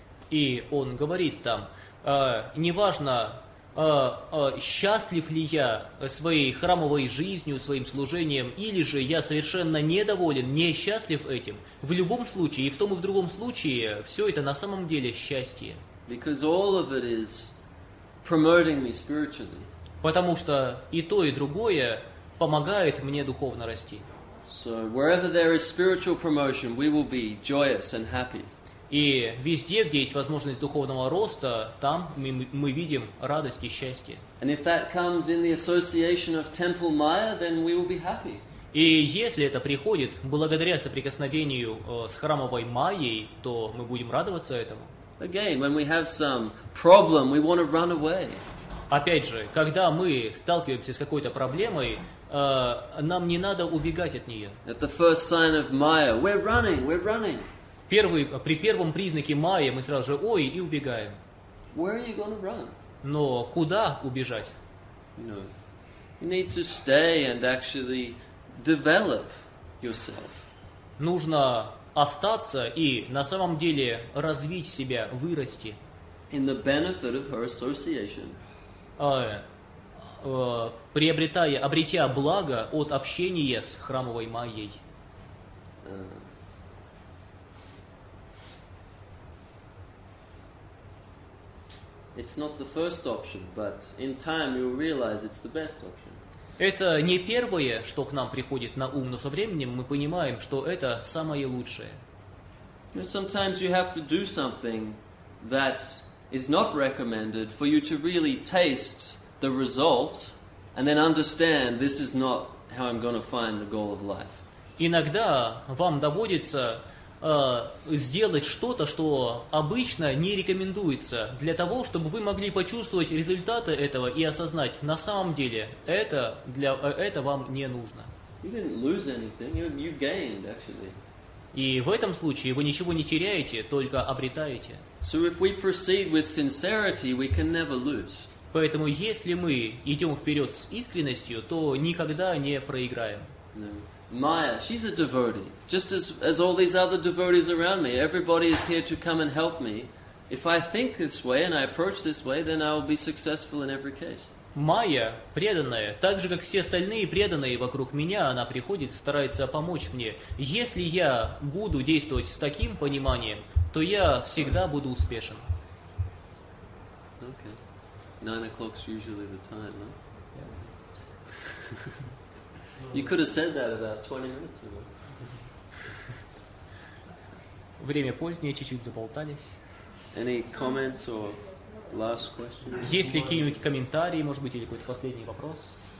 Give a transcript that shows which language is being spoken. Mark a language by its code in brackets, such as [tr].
[ru] И он говорит там, неважно, счастлив ли я своей храмовой жизнью, своим служением, или же я совершенно недоволен, несчастлив этим, в любом случае, и в том и в другом случае, все это на самом деле счастье. [en] Because all of it is promoting me spiritually. [ru] Потому что и то, и другое помогает мне духовно расти. [en] So wherever there is spiritual promotion, we will be joyous and happy. [ru] И везде, где есть возможность духовного роста, там мы видим радость и счастье. [en] And if that comes in the association of Temple Maya, then we will be happy. [ru] И если это приходит благодаря соприкосновению с храмовой Майей, то мы будем радоваться этому. [en] Again, when we have some problem, we want to run away. [ru] Опять же, когда мы сталкиваемся с какой-то проблемой, нам не надо убегать от нее. [en] At the first sign of Maya, we're running, we're running. [ru] При первом признаке Майи мы сразу же «Ой!» и убегаем. [en] Where are you gonna run? [ru] Но куда убежать? [en] No. You need to stay and actually develop yourself. [ru] Нужно остаться и на самом деле развить себя, вырасти. [en] In the benefit of her association. [ru] Обретя благо от общения с храмовой Майей. [en] It's not the first option, but in time you'll realize it's the best option. [ru] Это не первое, что к нам приходит на ум, но со временем мы понимаем, что это самое лучшее. [en] Sometimes you have to do something that is not recommended for you to really taste the result and then understand this is not how I'm going to find the goal of life. [ru] Иногда вам доводится сделать что-то, что обычно не рекомендуется, для того, чтобы вы могли почувствовать результаты этого и осознать, на самом деле, это вам не нужно. [en] You didn't lose anything, you gained, actually. [ru] И в этом случае вы ничего не теряете, только обретаете. [en] So if we proceed with sincerity, we can never lose. [ru] Поэтому если мы идем вперед с искренностью, то никогда не проиграем. [en] No. Maya, she's a devotee. Just as all these other devotees around me, everybody is here to come and help me. If I think this way and I approach this way, then I will be successful in every case. [ru] Maya, преданная, так же как все остальные преданные вокруг меня, она приходит, старается помочь мне. Если я буду действовать с таким пониманием, то я всегда буду успешен. [en] Okay. 9 o'clock is usually the time, no? Yeah. You could have said that about 20 minutes ago. [ru] Время позднее, чуть-чуть заболтались. [en] Any comments or last questions? [ru] Есть ли какие-нибудь комментарии, может быть, или какой-то последний вопрос?